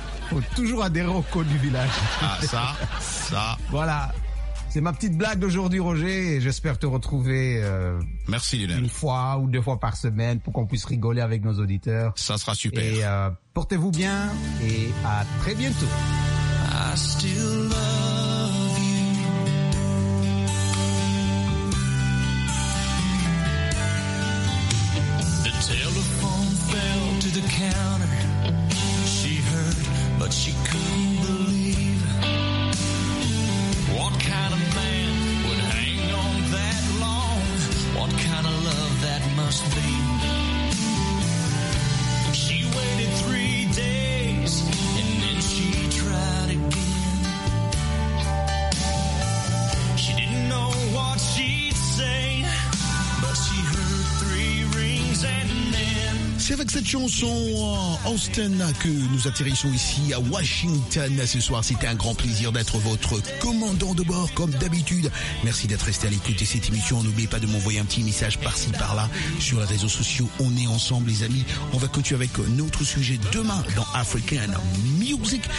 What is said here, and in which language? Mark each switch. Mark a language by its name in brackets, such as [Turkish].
[French] Faut toujours adhérer au code du village. Ah, ça, ça. Voilà. C'est ma petite blague d'aujourd'hui, Roger, et j'espère te retrouver merci, Lionel. Une fois ou deux fois par semaine pour qu'on puisse rigoler avec nos auditeurs. Ça sera super. Et portez-vous bien et à très bientôt. [English] I still love you. The telephone fell to the counter. She heard, but she couldn't believe. What kind of man would hang on that long? What kind of love that must be? She waited 3 days and then she tried again. She didn't know what she'd say, but she heard 3 rings and then. [French] C'est avec cette chanson Austin que nous atterrissons ici à Washington ce soir. C'était un grand plaisir d'être votre commandant de bord comme d'habitude. Merci d'être resté à l'écoute de cette émission. N'oubliez pas de m'envoyer un petit message par-ci, par-là sur les réseaux sociaux. On est ensemble les amis. On va continuer avec notre sujet demain dans African Music.